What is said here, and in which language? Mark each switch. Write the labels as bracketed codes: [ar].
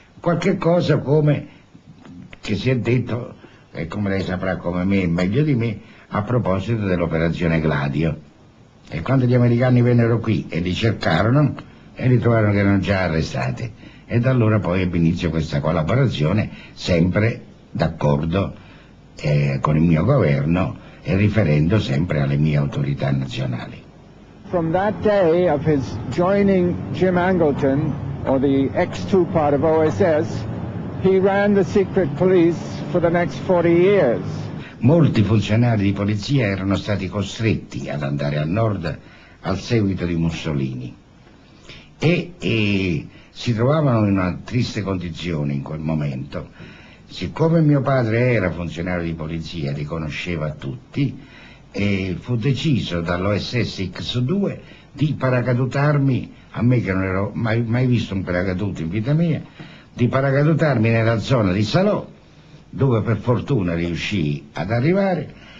[it] Qualche cosa come che si è detto, e come lei saprà come me, meglio di me, a proposito dell'operazione Gladio. E quando gli americani vennero qui e li cercarono, e ritrovarono che erano già arrestati. E da allora poi ebbe inizio questa collaborazione, sempre d'accordo con il mio governo e riferendo sempre alle mie autorità nazionali. [en] From that day of his joining Jim Angleton, or the X2 part of OSS, he ran the secret police for the next 40 years. [it] Molti funzionari di polizia erano stati costretti ad andare al nord al seguito di Mussolini e si trovavano in una triste condizione in quel momento. Siccome mio padre era funzionario di polizia, riconosceva tutti, e fu deciso dall'OSS X2 di paracadutarmi, a me che non ero mai visto un paracadute in vita mia, di paracadutarmi nella zona di Salò, dove per fortuna riuscii ad arrivare